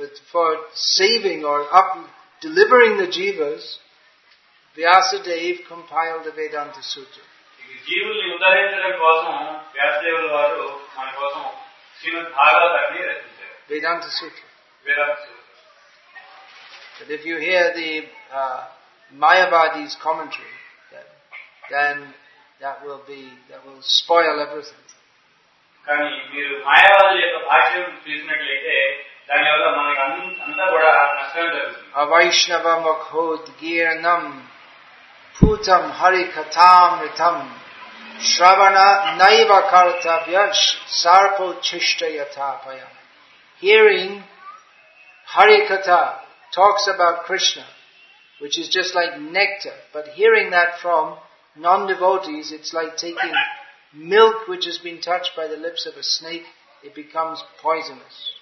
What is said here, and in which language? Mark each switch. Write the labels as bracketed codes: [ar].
[en] For saving or up delivering the jivas Vyasadev compile the Vedanta Sutra. [te] జీవుల్ని ఉద్ధరించడం కోసం వ్యాసదేవులు వారు మన కోసం శ్రీమద్ భాగవతాన్ని రచించారు. వేదాంత సూత్ర. [en] But if you hear the Mayavadi's commentary, then that will spoil everything. [te] కానీ మీరు మాయావాదుల యొక్క భాష్యం చూసినట్లయితే దానివల్ల మనకు అంతా కూడా నష్టం జరుగుతుంది. [sa] అవైష్ణవ ముఖోద్గీర్ణం భూతం హరి కథామృతం శ్రవణ నైవ కర్తవ్య సర్పోచ్ఛిష్ట యథాపయం. [en] Hearing Hari katha talks about Krishna, which is just like nectar, but hearing that from non-devotees, it's like taking milk which has been touched by the lips of a snake, it becomes poisonous.